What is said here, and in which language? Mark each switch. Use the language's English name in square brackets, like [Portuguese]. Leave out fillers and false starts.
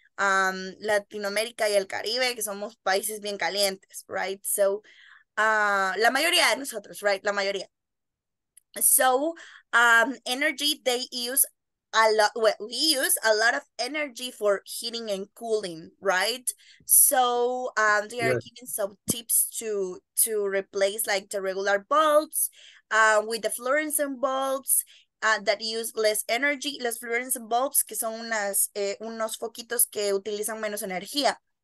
[Spanish] Latinoamérica y el Caribe, que somos países bien calientes, right? So, la mayoría de nosotros, right? La mayoría. [English] So, energy, they use a lot, well, we use a lot of energy for heating and cooling, right? So, they are giving some tips to replace like the regular bulbs with the fluorescent bulbs that use less energy. [Spanish] Los fluorescent bulbs, que son unas, unos foquitos que utilizan menos energía.